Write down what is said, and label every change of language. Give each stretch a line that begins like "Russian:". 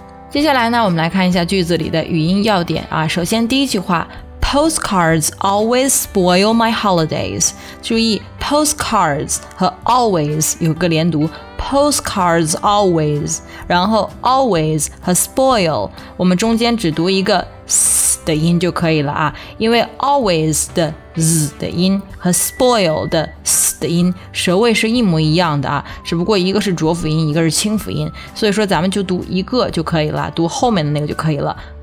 Chinese: 接下来呢，我们来看一下句子里的语音要点啊。首先第一句话
English: ，Postcards always spoil my holidays。
Chinese: 注意 ，postcards 和 always 有个连读 ，
English: postcards always，
Chinese: 然后 always 和 spoil， 我们中间只读一个 s 的音就可以了啊，因为 always 的 z 的音和 spoil 的 s 的音舌位是一模一样的啊，只不过一个是浊辅音，一个是清辅音，所以说咱们就读一个就可以了，读后面的那个就可以了。